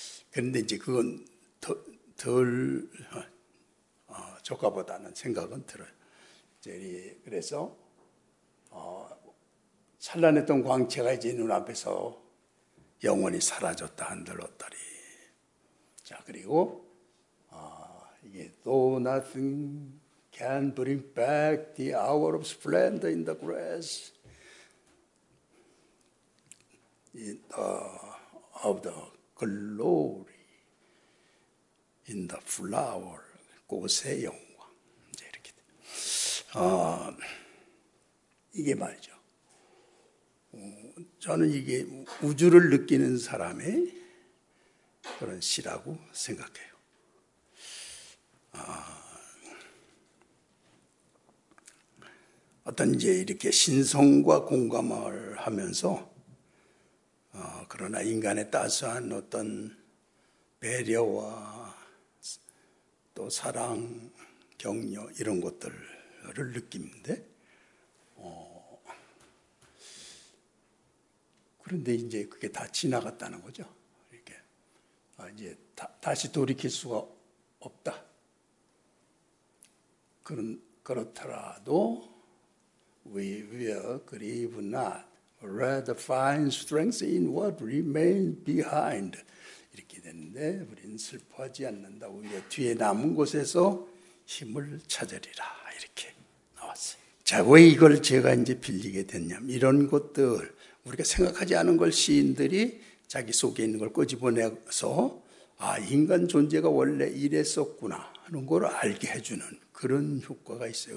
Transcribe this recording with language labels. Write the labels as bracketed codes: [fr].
[ko] 그런데 이제 그건 덜 적합하다는 생각은 들어요. 이제 그래서 찬란했던 광채가 이제 눈앞에서 영원히 사라졌다 한들 어떠리. 자 그리고 이게 또 [en] nothing. Can bring back the hour of splendor in the grass in of the glory in the flower [ko] 꽃의 영광 이제 이렇게 이게 말이죠. 저는 이게 우주를 느끼는 사람의 그런 시라고 생각해요. 어떤 이제 이렇게 신성과 공감을 하면서 그러나 인간의 따스한 어떤 배려와 또 사랑, 격려 이런 것들을 느끼는데 그런데 이제 그게 다 지나갔다는 거죠. 이렇게 이제 다시 돌이킬 수가 없다. 그렇더라도 [en] we will grieve not, rather find strength in what remains behind. [ko] 이렇게 됐는데 우리는 슬퍼하지 않는다. 우리의 뒤에 남은 곳에서 힘을 찾으리라. 이렇게 나왔어요. 자, 왜 이걸 제가 이제 빌리게 됐냐면 이런 것들 우리가 생각하지 않은 걸 시인들이 자기 속에 있는 걸 꺼집어내서 아 인간 존재가 원래 이랬었구나 하는 걸 알게 해주는 그런 효과가 있어요.